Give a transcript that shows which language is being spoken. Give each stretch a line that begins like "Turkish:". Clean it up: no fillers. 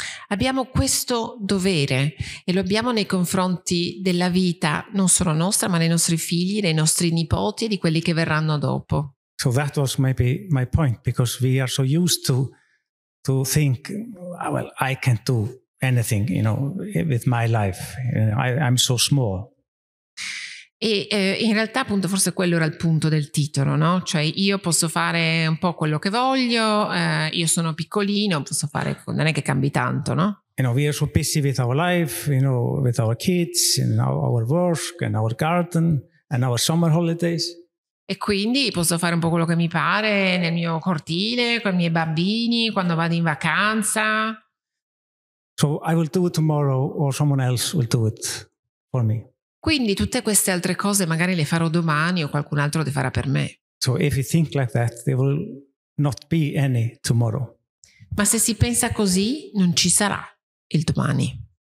Italian: Abbiamo questo dovere e lo abbiamo nei confronti della vita, non solo nostra, ma dei nostri figli, dei nostri nipoti e di quelli che verranno dopo.
English: So that was maybe my point, because we are so used to think, well, I can't do anything, you know, with my life. I'm so small.
Italian: E in realtà appunto forse quello era il punto del titolo, no? Cioè io posso fare un po' quello che voglio, io sono piccolino, posso fare, non è che cambi tanto, no?
English: You know, we are so busy with our life, you know, with our kids, and our work, and our garden, and our summer holidays.
Italian: E quindi posso fare un po' quello che mi pare nel mio cortile, con i miei bambini, quando vado in vacanza.
English: So I will do it tomorrow, or someone else will do it for me.
Italian: Quindi tutte queste altre cose magari le farò domani o qualcun altro le farà per me.
English: So if you think like that, there will not be any tomorrow.
Italian: Ma se si pensa così, non ci sarà il domani.